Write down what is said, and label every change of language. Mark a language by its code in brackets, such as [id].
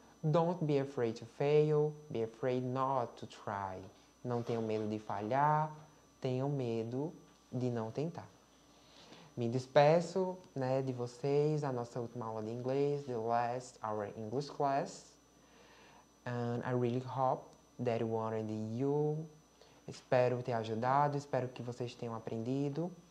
[en] Don't be afraid to fail, be afraid not to try. [pt] Não tenham medo de falhar, tenham medo de não tentar. Me despeço, né, de vocês, a nossa última aula de inglês, [en] the last our English class. And I really hope that you wanted you. [pt] Espero ter ajudado, espero que vocês tenham aprendido.